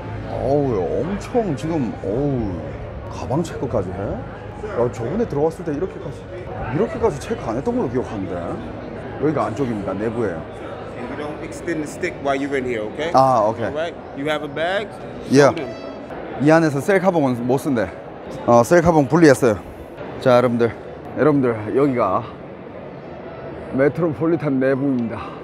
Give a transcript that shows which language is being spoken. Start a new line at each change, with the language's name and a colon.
Korean: 엄청 지금 가방 체크까지 해? 저번에 들어왔을 때 이렇게까지 체크 안 했던 걸로 기억하는데? 여기가 안쪽입니다. 내부예요.
English: Extend the stick while you're in here, okay? Okay. Alright, you have a bag? Yeah.
Korean: 이 안에서 셀카봉은 못 쓴대. 셀카봉 분리했어요. 자, 여러분들, 여기가 메트로폴리탄 내부입니다.